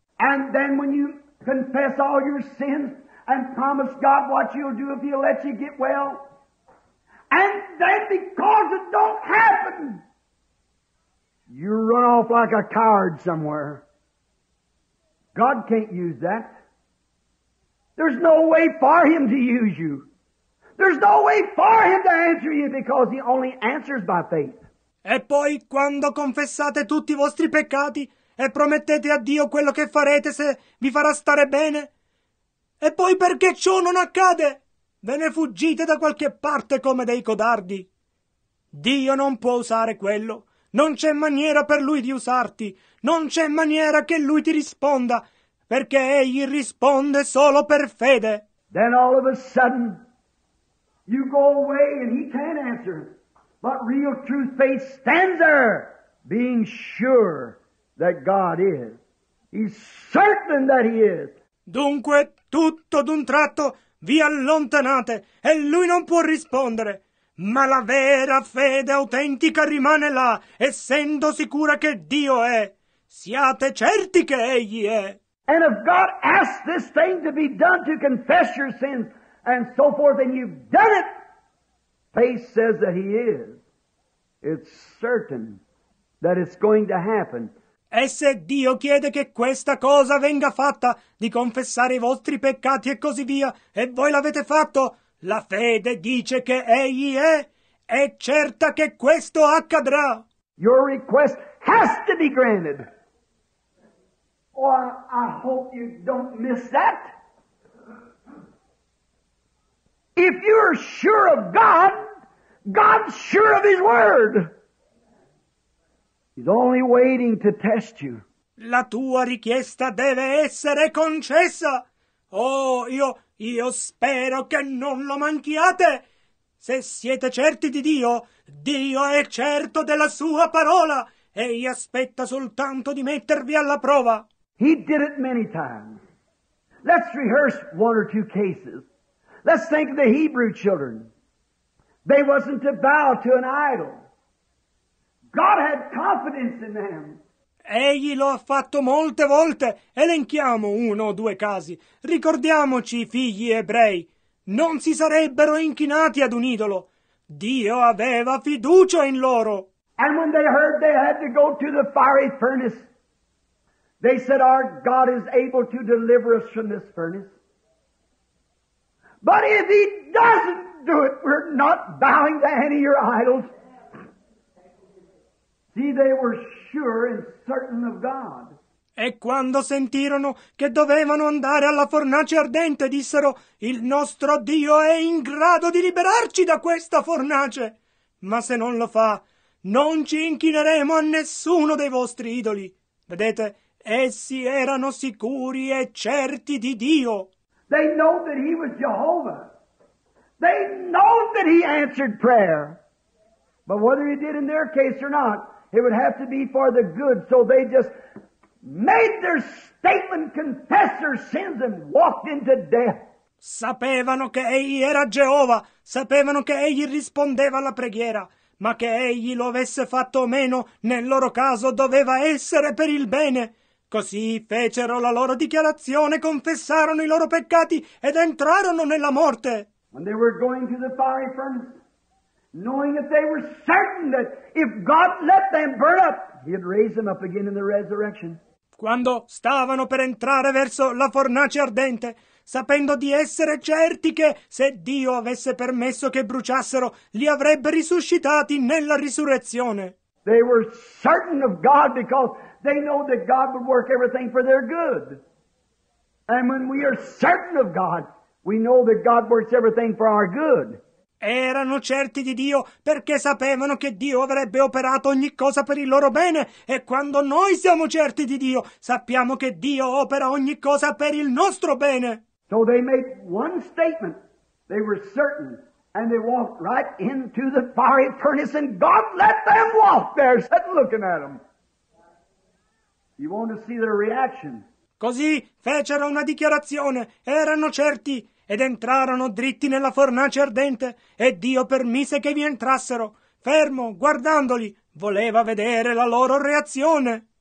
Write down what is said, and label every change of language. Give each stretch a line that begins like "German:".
English: And then when you confess all your sins and promise God what you'll do if He'll let you get well, and then because it don't happen, you run off like a coward somewhere. God can't use that. There's no way for Him to use you. There's no way for Him to answer you because He only answers by faith.
Italian: E poi, quando confessate tutti i vostri peccati e promettete a Dio quello che farete se vi farà stare bene, e poi perché ciò non accade, ve ne fuggite da qualche parte come dei codardi. Dio non può usare quello. Non c'è maniera per Lui di usarti. Non c'è maniera che Lui ti risponda, perché Egli risponde solo per fede.
English: Then all of a sudden you go away and He can't answer. But real true faith stands there, being sure that God is. He's certain that He is.
Italian: Dunque, tutto d'un tratto vi allontanate e Lui non può rispondere. Ma la vera fede autentica rimane là, essendo sicura che Dio è. Siate certi che Egli è.
English: And if God asks this thing to be done to confess your sins and so forth, and you've done it, faith says that He is. It's certain that it's going to happen.
Italian: E se Dio chiede che questa cosa venga fatta, di confessare i vostri peccati e così via, e voi l'avete fatto, la fede dice che Egli è certa che questo accadrà.
English: Your request has to be granted. Oh, I hope you don't miss that. If you're sure of God, God's sure of His word. He's only waiting to test you.
Italian: La tua richiesta deve essere concessa. Oh, io spero che non lo manchiate. Se siete certi di Dio, Dio è certo della sua parola. Egli aspetta soltanto di mettervi alla prova.
English: He did it many times. Let's rehearse one or two cases. Let's think of the Hebrew children. They wasn't to bow to an idol. God had confidence in them.
Italian: Egli lo ha fatto molte volte. Elenchiamo uno o due casi. Ricordiamoci, figli ebrei, non si sarebbero inchinati ad un idolo. Dio aveva fiducia in loro.
English: And when they heard they had to go to the fiery furnace, they said, "Our God is able to deliver us from this furnace. But if He doesn't do it, we're not bowing to any of your idols." See, they were sure and certain of God.
Italian: E quando sentirono che dovevano andare alla fornace ardente, dissero, "Il nostro Dio è in grado di liberarci da questa fornace. Ma se non lo fa, non ci inchineremo a nessuno dei vostri idoli." Vedete, essi erano sicuri e certi di Dio.
English: They know that He was Jehovah. They know that He answered prayer. But whether He did in their case or not, it would have to be for the good, so they just made their statement, confessed their sins, and walked into death.
Italian: Sapevano che egli era Geova, sapevano che egli rispondeva alla preghiera, ma che egli lo avesse fatto o meno, nel loro caso doveva essere per il bene. Così fecero la loro dichiarazione, confessarono i loro peccati ed entrarono nella morte.
English: When they were going to the fiery furnace, knowing that they were certain that if God let them burn up, he'd raise them up again in the resurrection.
Italian: Quando stavano per entrare verso la fornace ardente, sapendo di essere certi che se Dio avesse permesso che bruciassero, li avrebbe risuscitati nella risurrezione.
English: They were certain of God because they know that God would work everything for their good. And when we are certain of God, we know that God works everything for our good.
Italian: Erano certi di Dio perché sapevano che Dio avrebbe operato ogni cosa per il loro bene. E quando noi siamo certi di Dio, sappiamo che Dio opera ogni cosa per il nostro bene.
English: So they made one statement. They were certain. And they walked right into the fiery furnace. And God let them walk there, sat looking at them. You want to see their reaction.
Italian: Così fecero una dichiarazione. Erano certi. Ed entrarono dritti nella fornace ardente, e Dio permise che vi entrassero. Fermo, guardandoli, voleva vedere la loro reazione.